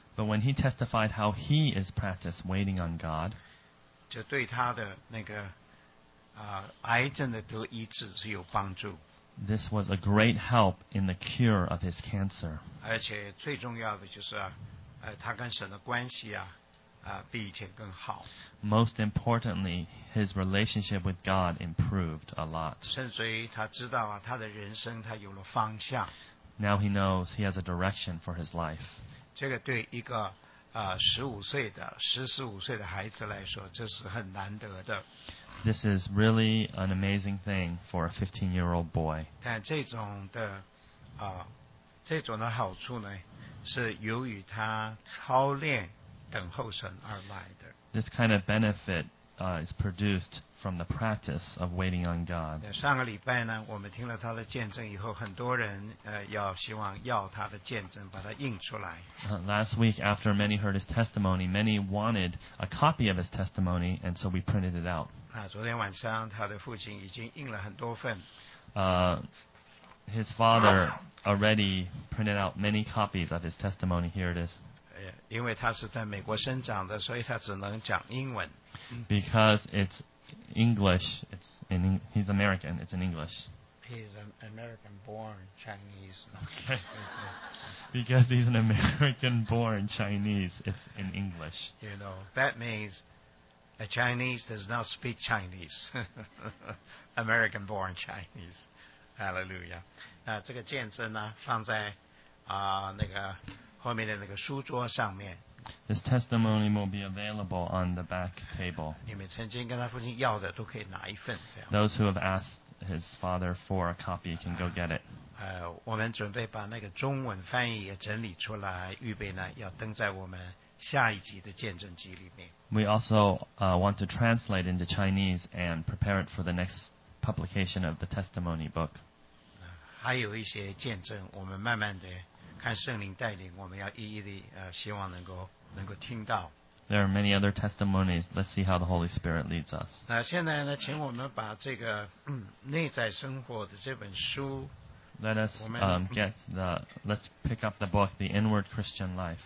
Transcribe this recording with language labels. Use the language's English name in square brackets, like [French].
[English] But when he testified how he is practiced waiting on God, [Chinese] 就对他的那个癌症的得医治是有帮助。 [English] This was a great help in the cure of his cancer. [Chinese] 而且最重要的就是啊，他跟神的关系啊，比以前更好。 [English] Most importantly, his relationship with God improved a lot. [Chinese] 甚至于他知道啊，他的人生他有了方向。 [English] Now he knows he has a direction for his life. [Chinese] 这个对一个15岁的14、15岁的孩子来说，这是很难得的。 [English] This is really an amazing thing for a 15-year-old boy. [Chinese] 但这种的这种的好处呢，是由于他操练等候神而来的。 [English] This kind of benefit is produced from the practice of waiting on God. [Chinese] 上个礼拜呢，我们听了他的见证以后，很多人要希望要他的见证，把它印出来。 [English] Last week, after many heard his testimony, many wanted a copy of his testimony, and so we printed it out. [Chinese] 昨天晚上他的父亲已经印了很多份。 [English] His father already printed out many copies of his testimony. Here it is. [Chinese] 因为他是在美国生长的，所以他只能讲英文。 [English] Because it's English, it's in, he's American, it's in English. He's an American-born Chinese. Okay. Because he's an American-born Chinese, it's in English. You know, that means a Chinese does not speak Chinese. American-born Chinese. Hallelujah. [Chinese] 那这个见证呢，放在那个后面的那个书桌上面。 [English] This testimony will be available on the back table. [Chinese] 你们曾经跟他父亲要的都可以拿一份。 [English] Those who have asked his father for a copy can go get it. [Chinese] 我们准备把那个中文翻译也整理出来，预备呢要登在我们下一集的见证集里面。 [English] We also want to translate into Chinese and prepare it for the next. Publication of the testimony book. [Chinese] 还有一些见证，我们慢慢的看圣灵带领，我们要一一的希望能够听到。 [English] There are many other testimonies. Let's see how the Holy Spirit leads us. [Chinese] 现在呢，请我们把这个内在生活的这本书。 [English] Let us get the. Let's pick up the book, The Inward Christian Life.